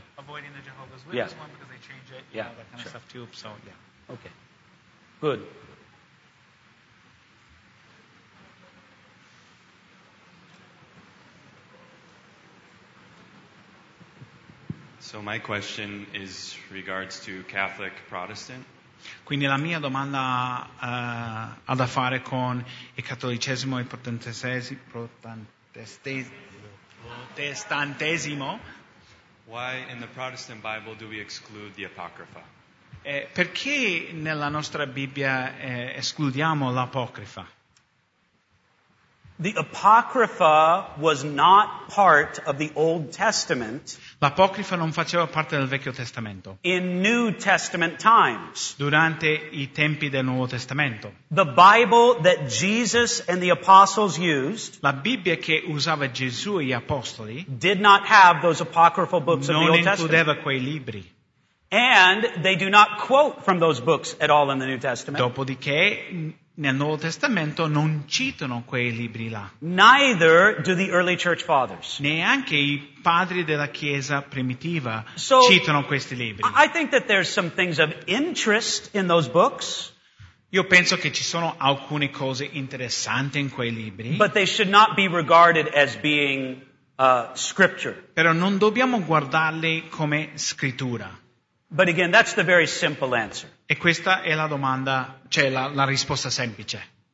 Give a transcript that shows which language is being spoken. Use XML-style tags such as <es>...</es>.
<en>Avoiding the Jehovah's Witness one because they change it, you know, that kind of stuff too, so, yeah. Okay. Good. So my question is regards to Catholic Protestant.</en> <it>Quindi la mia domanda ha da fare con il cattolicesimo e protestantesimo.</it> <en>Why in the Protestant Bible do we exclude the Apocrypha?</en> <it>Perché nella nostra Bibbia escludiamo l'Apocrypha?</it> <en>The Apocrypha was not part of the Old Testament.</en> <it>L'Apocrifa non faceva parte del Vecchio Testamento.</it> <en>In New Testament times.</en> <it>Durante i tempi del Nuovo Testamento.</it> <en>The Bible that Jesus and the apostles used.</en> <it>La Bibbia che usava Gesù e gli apostoli.</it> <en>Did not have those apocryphal books of the Old Testament.</en> <it>Non includeva quei libri.</it> <en>And they do not quote from those books at all in the New Testament.</en> <it>Dopodiché nel Nuovo Testamento non citano quei libri là.</it> <en>Neither do the early church fathers.</en> <it>Neanche i padri della Chiesa primitiva citano questi libri.</it> <en>I think that there's some things of interest in those books.</en> <it>Io penso che ci sono alcune cose interessanti in quei libri.</it> <en>But they should not be regarded as being scripture.</en> <it>Però non dobbiamo guardarli come scrittura.</it> <en>But again, that's the very simple answer.</en> <it>E questa è la domanda, cioè la risposta semplice.</it>